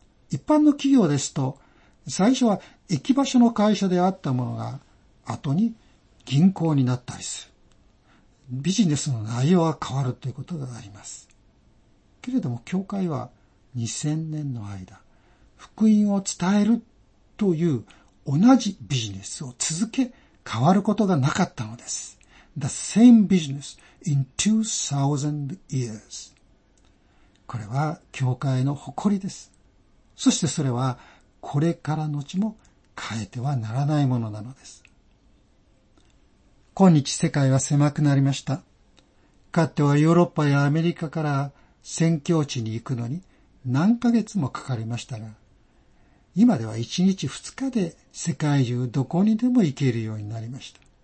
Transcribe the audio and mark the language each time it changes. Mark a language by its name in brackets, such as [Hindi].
[Japanese] 一般の企業ですと、最初は行き場所の会社であったものが、後に銀行になったりする。ビジネスの内容は変わるということがあります。けれども、教会は2000年の間、福音を伝えるという同じビジネスを続け、変わることがなかったのです。 [English] The same business in 2000 years. [Japanese] これは教会の誇りです。そしてそれはこれからのちも変えてはならないものなのです。今日世界は狭くなりました。かつてはヨーロッパやアメリカから宣教地に行くのに何ヶ月もかかりましたが、今では1日2日で世界中どこにでも行けるようになりました。